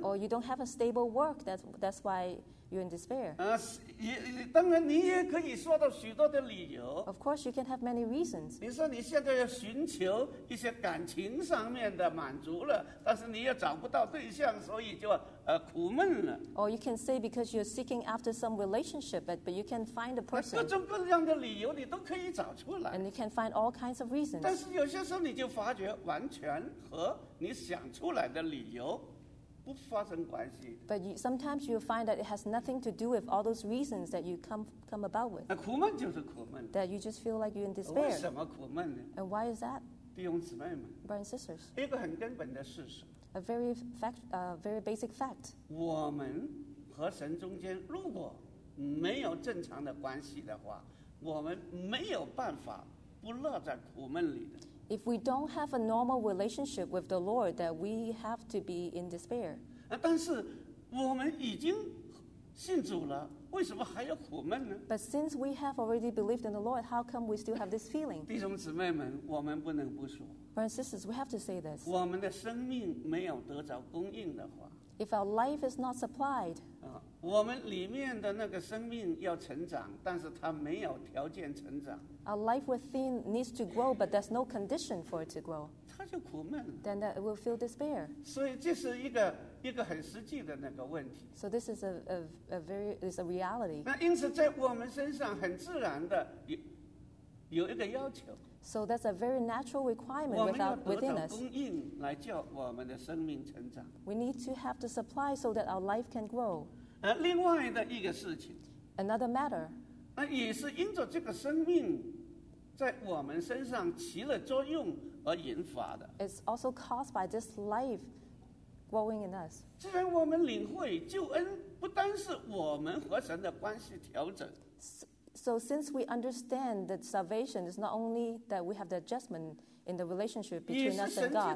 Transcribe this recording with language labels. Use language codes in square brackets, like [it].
[en] Or you don't have a stable work, that's why you're in despair. [zh] 当然你也可以说到许多的理由。 [en] Of course, you can have many reasons. [zh] 你说你现在要寻求一些感情上面的满足了，但是你又找不到对象，所以就苦闷了。 [en] Or you can say because you're seeking after some relationship, but you can't find a person. [zh] 各种各样的理由你都可以找出来。 [en] And you can find all kinds of reasons. [zh] 但是有些时候你就发觉完全和你想出来的理由不发生关系。 [en] But you, sometimes you find that it has nothing to do with all those reasons that you come about with. [zh] 那苦闷就是苦闷。 [en] That you just feel like you're in despair. [zh] 为什么苦闷呢？ [en] And why is that? [zh] 弟兄姊妹们。 [en] Brothers and sisters. [zh] 一个很根本的事实。 [en] A very fact, a very basic fact. [zh] 我们和神中间如果没有正常的关系的话，我们没有办法不乐在苦闷里的。 [en] If we don't have a normal relationship with the Lord, that we have to be in despair. [zh] 但是我们已经信主了，为什么还要苦闷呢？ [en] But since we have already believed in the Lord, how come we still have this feeling? [zh] 弟兄姊妹们，我们不能不说。 [en] Brothers and sisters, we have to say this. [zh] 我们的生命没有得着供应的话。 [en] If our life is not supplied. [zh] 我们里面的那个生命要成长，但是它没有条件成长。 [en] Our life within needs to grow, but there's no condition for it to grow. [zh] 它就苦闷了。 [en] Then that will feel despair. [zh] 所以这是一个很实际的那个问题。 [en] So this is a reality. [zh] 那因此在我们身上很自然的有一个要求。 [en] So that's a very natural requirement within us. [zh] 我们要得到供应来叫我们的生命成长。 [en] We need to have the supply so that our life can grow. [zh] 另外的一个事情。 [en] Another matter. [zh] 也是因着这个生命在我们身上起了作用而引发的。 [en] It's also caused by this life growing in us. [zh] 既然我们领会救恩，不单是我们和神的关系调整。 [en] So since we understand that salvation is not only that we have the adjustment in the relationship between us and God.